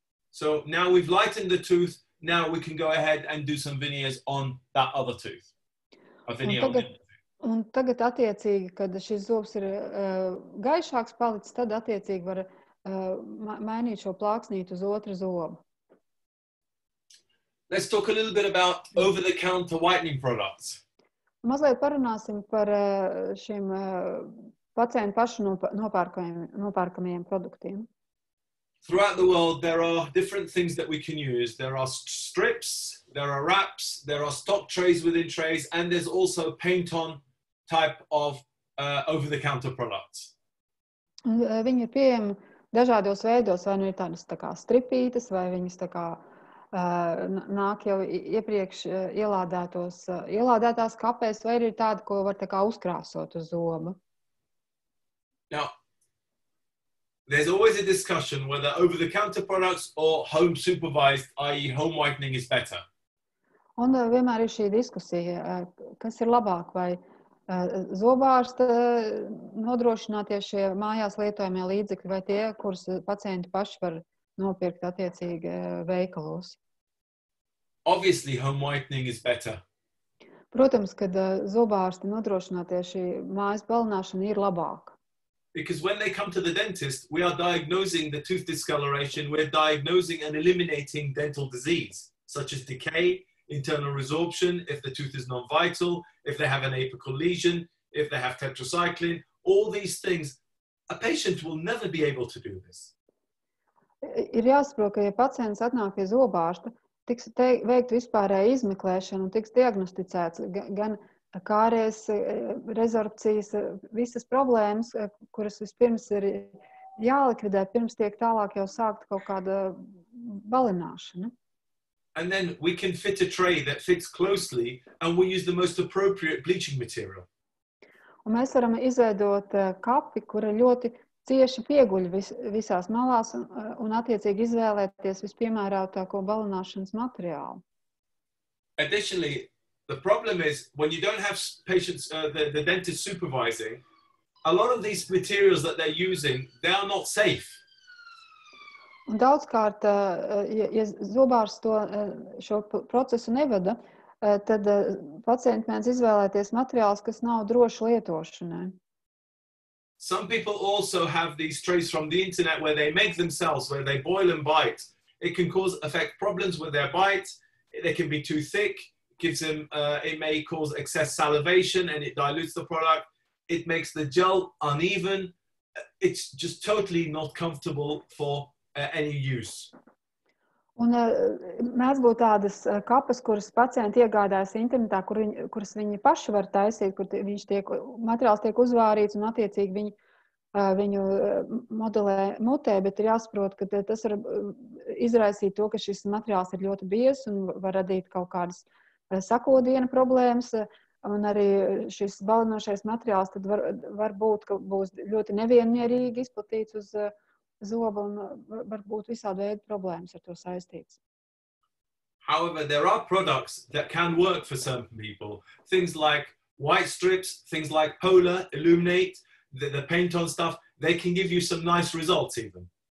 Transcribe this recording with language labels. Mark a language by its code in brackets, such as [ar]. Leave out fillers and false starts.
[en] So now we've lightened the tooth, now we can go ahead and do some veneers on that other tooth. [lv] Un tagad attiecīgi, kad šis zobs ir gaišāks palicis, tad attiecīgi var mainīt šo plāksnītu uz otru zobu. [en] Let's talk a little bit about over-the-counter whitening products. [lv] Mazliet parunāsim par šiem pacientu pašu nopērkamajiem produktiem. [en] Throughout the world, there are different things that we can use. There are strips, there are wraps, there are stock trays within trays, and there's also paint-on type of over-the-counter products. [lv] Viņi ir pieejami dažādos veidos, vai nu ir tādas tā kā stripītes, vai viņas tā kā nāk jau iepriekš ielādētās kapēs, vai ir tāda, ko var tā kā uzkrāsot uz zobu. [en] Now, there's always a discussion whether over-the-counter products or home-supervised, i.e. home whitening is better. [lv] Un vienmēr ir šī diskusija, kas ir labāk vai zobārsta nodrošinātie šie mājās lietojamie līdzekļi vai tie, kurus pacienti paši var nopirkt attiecīgi veikalos. [en] Obviously home whitening is better. [lv] Protams, kad zobārsti nodrošinātie šī mājas balināšana ir labāk. [en] Because when they come to the dentist, we are diagnosing the tooth discoloration, we're diagnosing and eliminating dental disease, such as decay, internal resorption, if the tooth is non-vital, if they have an apical lesion, if they have tetracycline, all these things, a patient will never be able to do this. [lv] Ir jāsaprot, ka ja pacients atnāk pie zobārsta, tiks veikta vispārēja izmeklēšana un tiks diagnosticēts gan kāries, rezorpcijas, visas problēmas, kuras vispirms ir jālikvidē, pirms tiek tālāk jau sākt kaut kāda balināšana. [en] And then we can fit a tray that fits closely and we use the most appropriate bleaching material. [lv] Un mēs varam izveidot kapi, kura ļoti cieši pieguļ visās malās un attiecīgi izvēlēties vispiemērotāko balināšanas materiālu. [en] Additionally, the problem is when you don't have patients the dentist supervising, a lot of these materials that they're using, they are not safe. [lv] Un daudzkārt, ja zobārs to šo procesu nevada, tad pacienti mēdz izvēlēties materiāls, kas nav droši lietošanai. [en] Some people also have these trays from the internet where they make themselves, where they boil and bite. It can cause effect problems with their bites. They can be too thick. Gives them, it may cause excess salivation and it dilutes the product. It makes the gel uneven. It's just totally not comfortable for any use. [lv] Un mēs būtu tādas kapas, kuras pacienti iegādājas internetā, kuras viņi paši var taisīt, kur viņš tiek, materiāls tiek uzvārīts un attiecīgi viņu modelē mutē, bet ir jāsaprot, ka tas var izraisīt to, ka šis materiāls ir ļoti biezs un var radīt kaut kādas sakodiena problēmas, un arī šis balinošais materiāls tad var būt, ka būs ļoti nevienmierīgi izplatīts uz zobu un var būt visādi veidi problēmas ar to saistīts. [en] However, there are products that can work for some people. Things like white strips, things like Pola, Illuminate, the paint on stuff, they can give you some nice results even.